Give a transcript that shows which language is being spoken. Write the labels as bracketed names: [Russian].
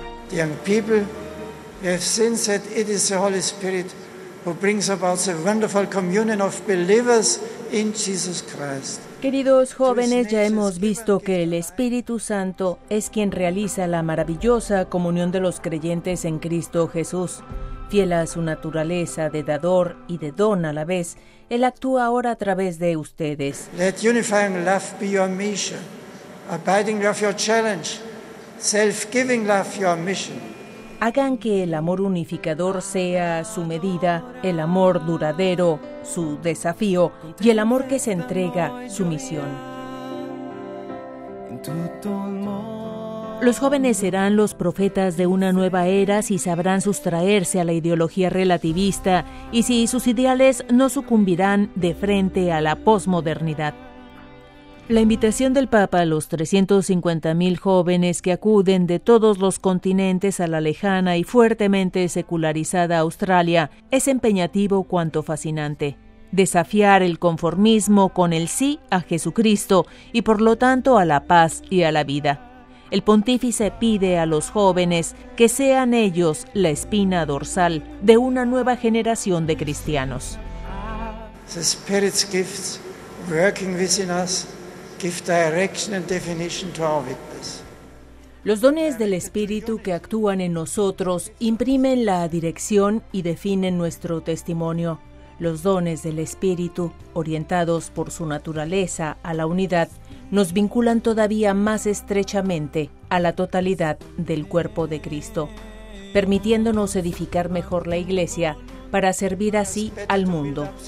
[English] Young people, we have seen that it is the Holy Spirit who brings about the wonderful communion of believers in Jesus Christ. [Spanish] Queridos jóvenes, ya hemos visto que el Espíritu Santo es quien realiza la maravillosa comunión de los creyentes en Cristo Jesús. Fiel a su naturaleza de dador y de don a la vez, Él actúa ahora a través de ustedes. [English] Let unifying love be your mission, abiding love your challenge, self-giving love your mission. [Spanish] Hagan que el amor unificador sea su medida, el amor duradero, su desafío, y el amor que se entrega, su misión. Los jóvenes serán los profetas de una nueva era si sabrán sustraerse a la ideología relativista y si sus ideales no sucumbirán de frente a la posmodernidad. La invitación del Papa a los 350.000 jóvenes que acuden de todos los continentes a la lejana y fuertemente secularizada Australia es empeñativo cuanto fascinante. Desafiar el conformismo con el sí a Jesucristo y por lo tanto a la paz y a la vida. El pontífice pide a los jóvenes que sean ellos la espina dorsal de una nueva generación de cristianos. [English] The Spirit's gifts working within us give direction and definition to our witness. [Spanish] Los dones del Espíritu que actúan en nosotros imprimen la dirección y definen nuestro testimonio. Los dones del Espíritu, orientados por su naturaleza a la unidad, nos vinculan todavía más estrechamente a la totalidad del cuerpo de Cristo, permitiéndonos edificar mejor la Iglesia para servir así al mundo.